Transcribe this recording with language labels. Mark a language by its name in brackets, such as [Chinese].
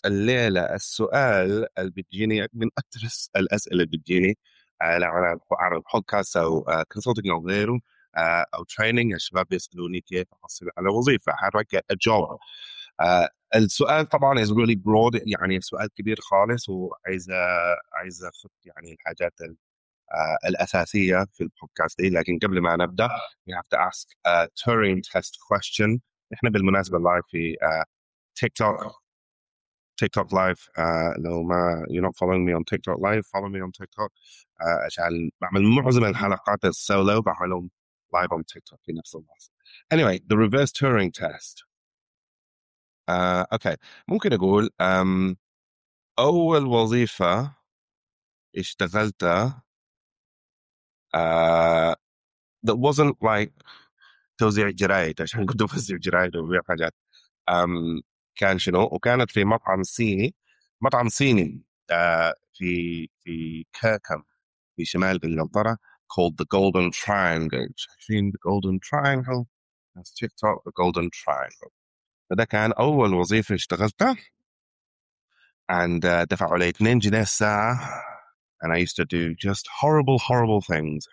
[Arabic] الليلة السؤال اللي بتجيني من أكثر الأسئلة اللي بتجيني على البودكاست أو كونسلتنج أو غيره أو تريننج، الشباب بيسألوني كيف أحصل على وظيفة، [English] how do I get a job. [Arabic] السؤال طبعا [English] is really broad، [Arabic] يعني سؤال كبير خالص، وعايز أخذ يعني الحاجات الأساسية في البودكاست دي. لكن قبل ما نبدأ، [English] we have to ask a Turing test question. [Arabic] إحنا بالمناسبة live في TikTok live. لو ما [English] you're not following me on TikTok live, follow me on TikTok. [Arabic] عشان بعمل معظم الحلقات السولو بعملهم [English] live on TikTok [Arabic] في نفس الوقت. [English] Anyway, the reverse Turing test. [Arabic] Okay, ممكن أقول أول وظيفة اشتغلتها [English] that wasn't like [Arabic] توزيع جرايد، عشان كنت بوزع جرايد وببيع حاجات، كان شنو، وكانت في مطعم صيني في كركم في شمال انجلترا، called the Golden Triangle. شايفين the Golden Triangle؟ ناس تيك توك the Golden Triangle. فده كان أول وظيفة اشتغلتها، and دفعوا لي 2 جنيه الساعة. [English] And I used to do just horrible, horrible things.